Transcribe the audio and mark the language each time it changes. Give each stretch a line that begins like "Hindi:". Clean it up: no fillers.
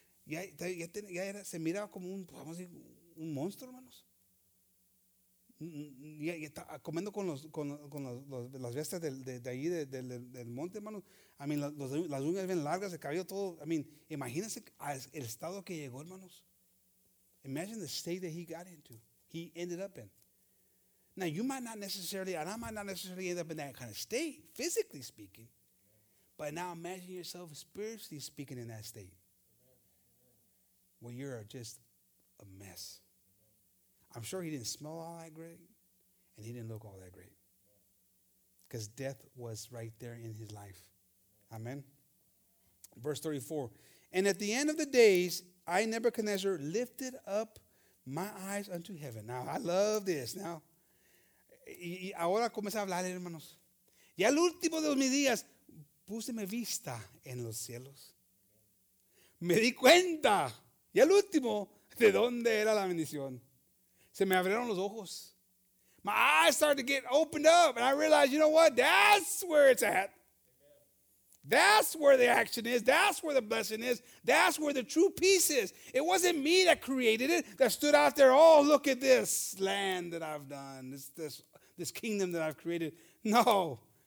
Spanish: Ya se miraba como un, vamos a decir, un monstruo, hermanos. Y estaba comiendo con las bestias del monte, hermanos.
English: I mean,
Spanish: las uñas bien largas, el cabello todo. I mean, imagínense el estado que llegó, hermanos.
English: Imagine the state that he got into. He ended up in. Now, you might not necessarily, and I might not necessarily end up in that kind of state, physically speaking. But now imagine yourself spiritually speaking in that state. Well, you are just a mess. I'm sure he didn't smell all that great, and he didn't look all that great. Because death was right there in his life. Amen. Verse 34. And at the end of the days, I, Nebuchadnezzar, lifted up my eyes unto heaven. Now, I love this. Now,
Spanish: ahora comencé a hablar, hermanos. Y al último de mis días, puse mi vista en los cielos. Me di cuenta, y al último, de dónde era la bendición. Se me abrieron los ojos.
English: My eyes started to get opened up, and I realized, you know what? That's where it's at. That's where the action is. That's where the blessing is. That's where the true peace is. It wasn't me that created it, that stood out there, oh, look at this land that I've done, this kingdom that I've created. No.